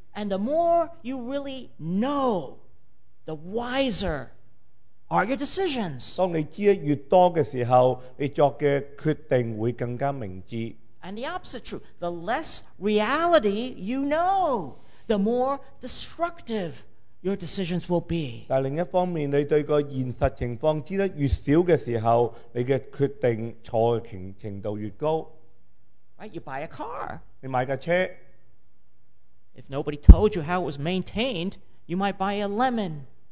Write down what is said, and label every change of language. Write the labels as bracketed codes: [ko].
[en] And the more you really know, the wiser are your decisions. [yue] 当你知得越多嘅时候，你作嘅决定会更加明智。 [en] And the opposite true. The less reality you know, the more destructive your decisions will be. [yue] 但另一方面，你对个现实情况知得越少嘅时候，你嘅决定错嘅程度越高。 [en] Right? You buy a car. [yue] 你买架车。 [en] If nobody told you how it was maintained, you might buy a lemon.